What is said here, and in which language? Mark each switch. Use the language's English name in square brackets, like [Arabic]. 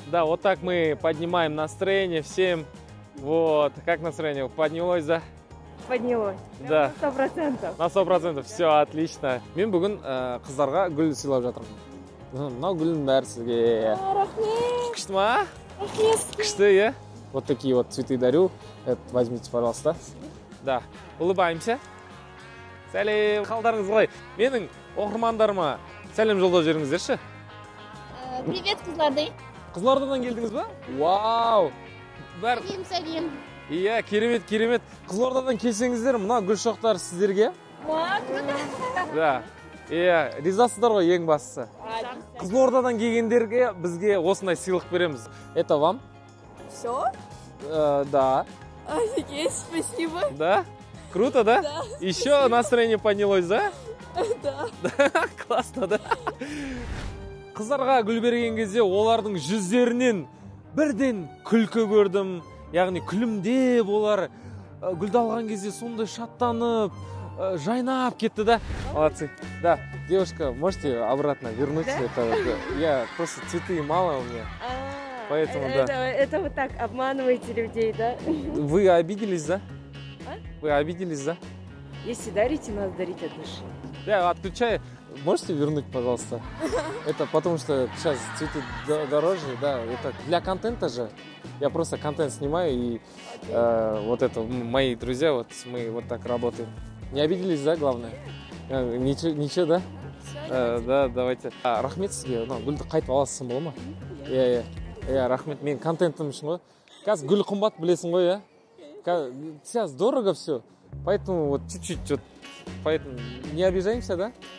[Russian] Да, вот так мы поднимаем настроение всем. Вот. Как настроение? Поднялось, да? поднялось. Да. На 100%. На 100%. Все, отлично. [Kazakh] Мен бүгін қыздарға гүл сыйлап жатырмын. Мынау гүлін бәрі сізге. Рахмет. Күшті ма? Рахмет. Күшті, иә? [Russian] Вот такие вот цветы дарю. Это возьмите, пожалуйста. Да. Улыбаемся. [Kazakh] Сәлем. Қалдарыңыз қалай? Менің оқырмандарыма сәлем жолдап жіберіңіздерші. Привет, қыздарды. Қызылордадан келдіңіз ба? Вау! Сәлем, сәлем. Иә, керемет, керемет. Қызылордадан келсеңіздер, мына гүл шоқтар сіздерге. [Russian] Вау, круто. Да. [Kazakh] Иә, ризасыздар ғой ең бастысы. Қызылордадан келгендерге бізге осындай сыйлық береміз. [Russian] Это вам. Все? Да. Офигеть, спасибо. Да? Круто, да? Да. Еще спасибо. Настроение поднялось, да? Да. Да, классно, да? [Kazakh] Қыздарға гүл берген кезде олардың жүздерінен бірден күлкі көрдім. Яғни күлімдеп олар гүлді алған кезде сондай шаттанып, жайнап кетті да. [Russian] Молодцы. Да, девушка, можете обратно вернуть себе это? Я просто цветы мало у меня. Поэтому, да. Это вот так обманываете людей, да? Вы обиделись, да? Вы обиделись, да? Если дарите, надо дарить от души. Да, отключаю. Можете вернуть, пожалуйста? Это потому что сейчас цветы дороже, да, это для контента же. Я просто контент снимаю и вот это мои друзья, вот мы вот так работаем. Не обиделись, да, главное? Ничего, ничего, да? Да, давайте. [Kazakh] Рахмет сізге, ну, гүлді қайтып аласың болды ма? Я рахмет, мен контентім үшін ғой. Қазір гүл қымбат білесің ғой, а? [Russian] Сейчас дорого все, поэтому вот чуть-чуть, вот, поэтому не обижаемся, да?